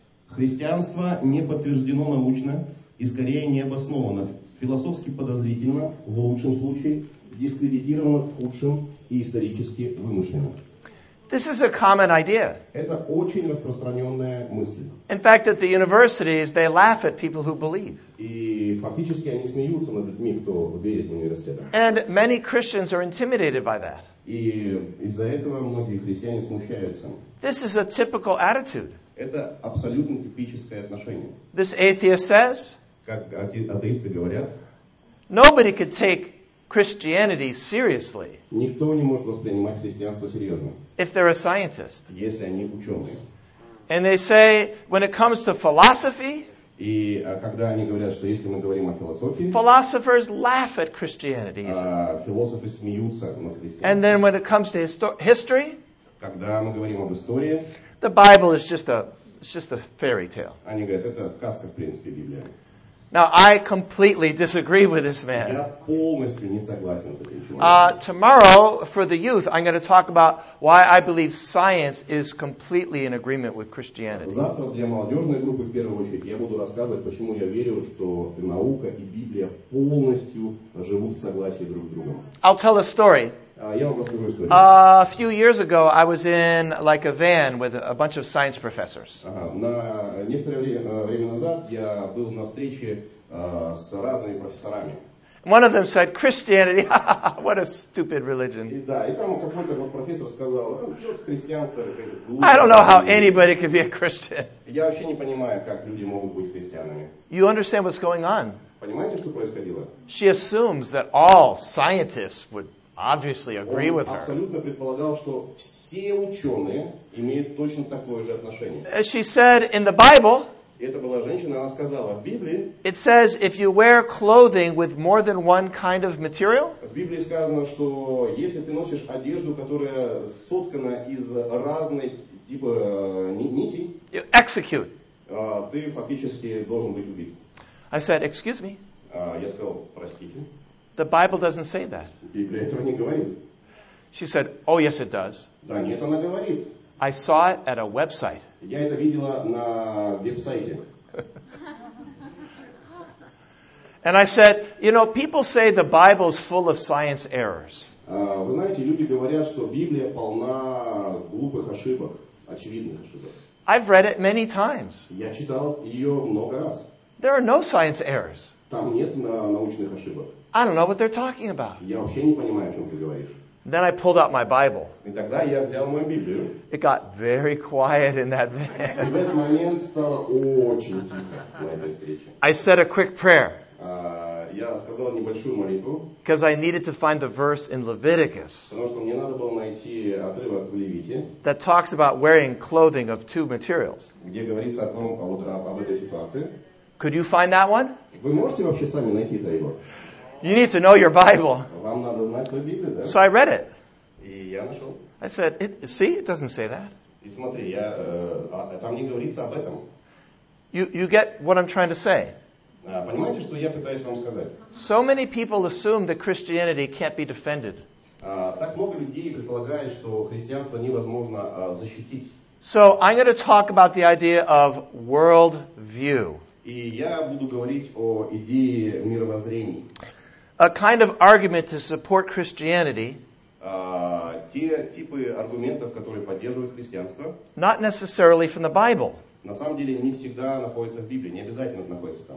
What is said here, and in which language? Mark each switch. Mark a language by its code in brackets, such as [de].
[ru] Христианство не подтверждено научно и скорее не обосновано. Философски подозрительно, в лучшем случае, дискредитировано в худшем и исторически вымышленно. [en] This is a common idea. [ru] Это очень распространенная мысль. [en] In fact, at the universities, they laugh at people who believe. [ru] И фактически они смеются над людьми, кто верит в университетах. [en] And many Christians are intimidated by that. [ru] И из-за этого многие христиане смущаются. [en] This is a typical attitude. [ru] Это абсолютно типическое отношение. [en] This atheist says, [ru] как атеисты говорят, [en] nobody could take Christianity seriously. [ru] Никто не может воспринимать христианство серьезно. [en] If they're a scientist. [ru] Если они ученые. [en] And they say, when it comes to philosophy, [ru] и когда они говорят, что если мы говорим о философии, [en] philosophers laugh at Christianity. [ru] Философы смеются над христианством. [en] And then when it comes to history, [ru] когда мы говорим об истории, [en] the Bible is just a fairy tale. [ru] Они говорят, это сказка в принципе, Библия. [en] Now, I completely disagree with this man. [ru] Я полностью не согласен с этим человеком. [en] Tomorrow, for the youth, I'm going to talk about why I believe science is completely in agreement with Christianity. [ru] Завтра для молодежной группы, в первую очередь, я буду рассказывать, почему я верю, что наука и Библия полностью живут в согласии друг с другом. [en] I'll tell a story. A few years ago, I was in like a van with a bunch of science professors. [ru] На некоторое время назад я был на встрече с разными профессорами. [en] One of them said, "Christianity, what a stupid religion." [ru] Да, и там какой-то вот профессор сказал, христианство это глупо. [en] I don't know how anybody could be a Christian. [ru] Я вообще не понимаю, как люди могут быть христианами. [en] You understand what's going on? [ru] Понимаете, что происходило? [en] She assumes that all scientists would obviously agree with her. [ru] Абсолютно предполагал, что все ученые имеют точно такое же отношение. [en] As she said in the Bible, [ru] это была женщина, она сказала, в Библии, [en] it says if you wear clothing with more than one kind of material, [ru] в Библии сказано, что если ты носишь одежду, которая соткана из разных типа нитей, [en] you execute. [ru] Ты фактически должен быть убит. [en] I said, excuse me. [ru] Я сказал, простите. [en] The Bible doesn't say that. [ru] Библия этого не говорит. [en] She said, oh yes it does. [ru] Да нет, она говорит. [en] I saw it at a website. [ru] Я это видела на веб-сайте. [en] And I said, you know, people say the Bible's full of science errors. [ru] Вы знаете, люди говорят, что Библия полна глупых ошибок, очевидных ошибок. [en] I've read it many times. [ru] Я читал ее много раз. [en] There are no science errors. [ru] Там нет научных ошибок. [en] I don't know what they're talking about. [ru] Я вообще не понимаю, о чем ты говоришь. [en] Then I pulled out my Bible. [ru] И тогда я взял мою Библию. [en] It got very quiet in that van. [ru] И в этот момент стало очень тихо на этой встрече. [en] I said a quick prayer. [ru] Я сказал небольшую молитву. [en] Because I needed to find the verse in Leviticus. [ru] Потому что мне надо было найти отрывок в Левите. [en] That talks about wearing clothing of two materials. [ru] Где говорится о том, об этой ситуации. [en] Could you find that one? [ru] Вы можете вообще сами найти это его? [en] You need to know your Bible. [ru] Вам надо знать свою Библию, да? [en] So I read it. [ru] И я нашел. [en] I said, see, it doesn't say that. [ru] И смотри, я, там не говорится об этом. [en] You get what I'm trying to say. [ru] Понимаете, что я пытаюсь вам сказать? [en] So many people assume that Christianity can't be defended. [ru] Так много людей предполагает, что христианство невозможно защитить. [en] So I'm going to talk about the idea of world view. [ru] И я буду говорить о идее мировоззрения. [en] A kind of argument to support Christianity, [ru] те типы аргументов, которые поддерживают христианство, [en] not necessarily from the Bible. [ru] На самом деле, не всегда находится в Библии, не обязательно находится там.